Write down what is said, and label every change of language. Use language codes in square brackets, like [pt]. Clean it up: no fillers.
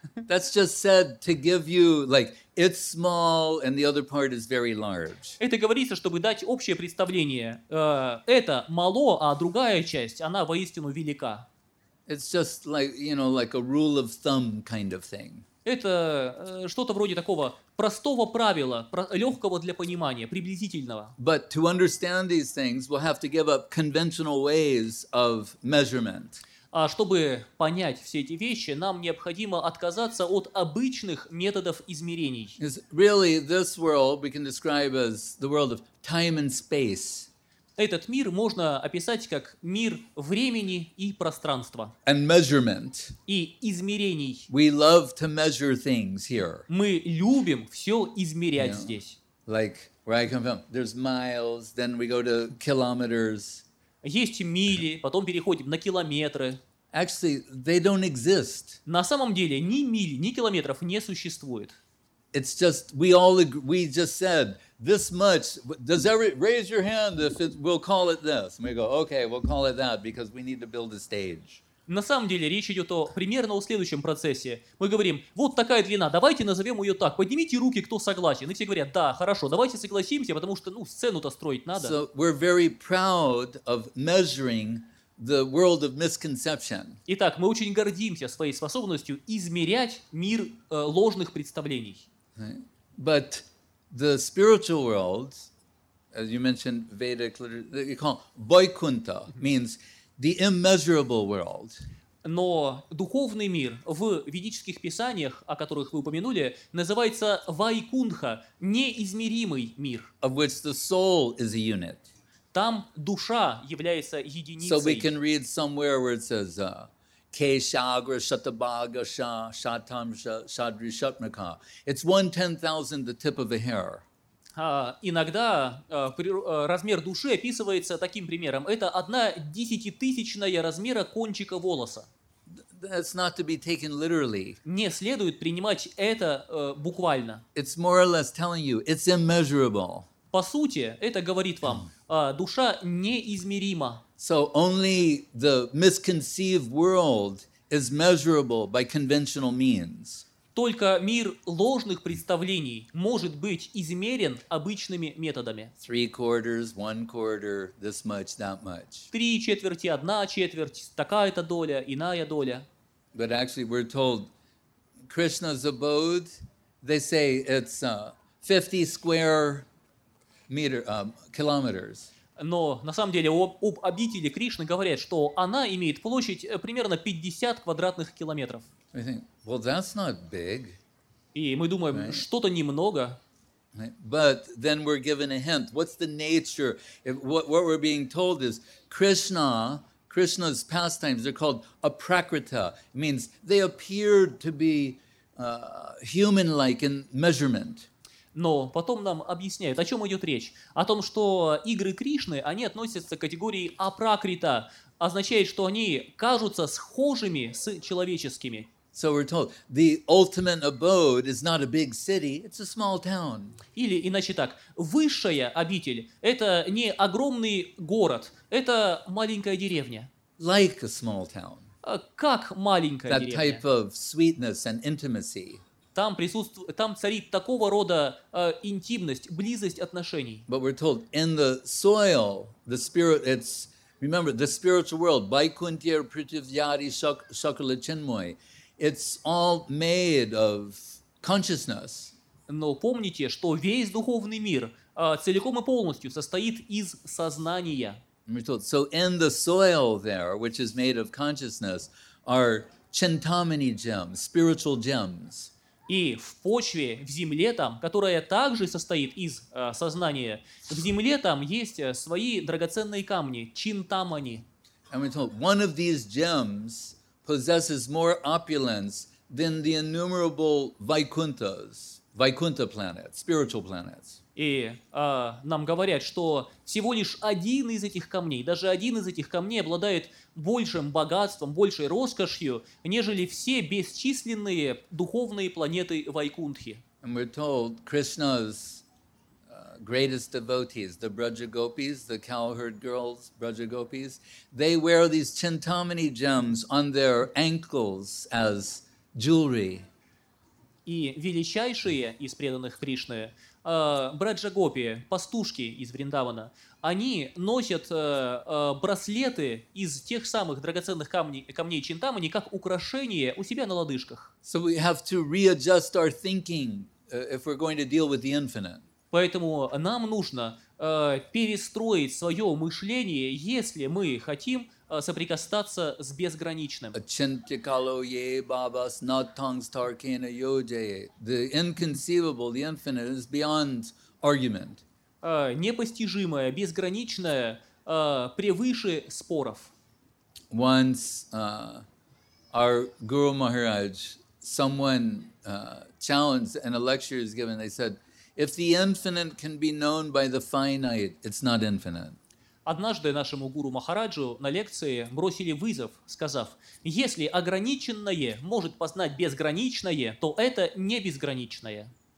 [en] That's just said to give you, like, it's small and the other part is very large. [ru] Это говорится, чтобы дать общее представление. Это мало, а другая часть, она воистину велика. [en] It's just like, you know, like a rule of thumb kind of thing. [ru] Это что-то вроде такого простого правила, легкого для понимания, приблизительного. [en] But to understand these things, we'll have to give up conventional ways of measurement. [ru] А чтобы понять все эти вещи, нам необходимо отказаться от обычных методов измерений. [en] It's really, this world we can describe as the world of time and space. [ru] Этот мир можно описать как мир времени и пространства. [en] And measurement. [ru] И измерений. [en] We love to measure things here. [ru] Мы любим все измерять, [en] you know, [ru] здесь. [en] Like where I come from, there's miles, then we go to kilometers. [ru] есть мили, потом переходим на километры. [en] Actually, they don't exist. [ru] На самом деле ни миль, ни километров не существует. [en] It's just we all agree, we just said this much. Does every raise your hand if it, we'll call it this? And we go, okay, we'll call it that because we need to build a stage. [ru] На самом деле речь идет о примерно о следующем процессе. Мы говорим, вот такая длина, давайте назовем ее так. Поднимите руки, кто согласен. И все говорят, да, хорошо, давайте согласимся, потому что, ну, сцену-то строить надо. [en] So we're very proud of measuring the world of misconception. [ru] Итак, мы очень гордимся своей способностью измерять мир ложных представлений. [en] But the spiritual world, as you mentioned, Vedic literature, you call Vaikuntha, means the immeasurable world. [ru] Но духовный мир в ведических писаниях, о которых вы упомянули, называется Вайкунха, неизмеримый мир. [en] Of which the soul is a unit. [ru] Там душа является единицей. [en] So we can read somewhere where it says [sa] Keshagra Shatabhaga Shatam Shadri Shatmaka. [en] It's 1/10,000 the tip of a hair. [ru] Иногда размер души описывается таким примером. Это 1/10,000 размера кончика волоса. [en] That's not to be taken literally. [ru] Не следует принимать это буквально. [en] It's more or less telling you, it's immeasurable. [ru] По сути, это говорит вам, душа неизмерима. [en] So only the misconceived world is measurable by conventional means. [ru] Только мир ложных представлений может быть измерен обычными методами. [en] 3/4, 1/4, this much, that much. [ru] 3/4, 1/4, такая-то доля, иная доля. [en] But actually we're told Krishna's abode, they say it's 50 square meter, kilometers. [ru] Но на самом деле об обители Кришны говорят, что она имеет площадь примерно 50 квадратных километров. [en] We think, well, that's not big. [ru] И мы думаем, [en] right? [ru] Что-то немного. [en] Right. But then we're given a hint. What's the nature? What we're being told is Krishna's pastimes, they're called aprakrita. It means they appeared to be human-like in measurement. [ru] Но потом нам объясняют, о чем идет речь. О том, что игры Кришны, они относятся к категории апракрита, означает, что они кажутся схожими с человеческими. [en] So we're told, the ultimate abode is not a big city, it's a small town. [ru] Или иначе так, высшая обитель – это не огромный город, это маленькая деревня. [en] Like a small town. [ru] Как маленькая [en] That [ru] деревня. [en] Type of sweetness and intimacy. [ru] Там присутствует, там царит такого рода интимность, близость отношений. [en] But we're told in the soil, the spirit, it's remember the spiritual world, [sa] Vaikuntha Prithivyari Shakala Chinmoy, [en] it's all made of consciousness. [ru] Но помните, что весь духовный мир целиком и полностью состоит из сознания. [en] And we're told, so in the soil there, which is made of consciousness, are Chintamani gems, spiritual gems. [ru] И в почве, в земле там, которая также состоит из сознания, в земле там есть свои драгоценные камни, чинтамани. [en] And we're told, one of these gems possesses more opulence than the innumerable Vaikunthas, Vaikuntha planets, spiritual planets. [ru] И нам говорят, что всего лишь один из этих камней, даже один из этих камней обладает большим богатством, большей роскошью, нежели все бесчисленные духовные планеты Вайкунтхи. [en] And we're told Krishna's greatest devotees, the Brajagopis, the cowherd girls, Brajagopis, they wear these Chintamani gems on their ankles as jewelry. [ru] И величайшие из преданных Кришны – Браджагопи, пастушки из Вриндавана, они носят браслеты из тех самых драгоценных камней Чинтамани как украшение у себя на лодыжках. [en] So we have to readjust our thinking if we're going to deal with the infinite. [ru] Поэтому нам нужно перестроить свое мышление, если мы хотим соприкасаться с безграничным. [sa] Чинтикало е бабас натангс таркена йоджее. [en] The inconceivable, the infinite is beyond argument. [ru] Непостижимое, безграничное, превыше споров. [en] Once our Guru Maharaj, someone challenged and a lecture is given, they said, if the infinite can be known by the finite, it's not infinite. [ru] Однажды нашему гуру Махараджу на лекции бросили вызов, сказав: «Если ограниченное может познать безграничное, то это не безграничное».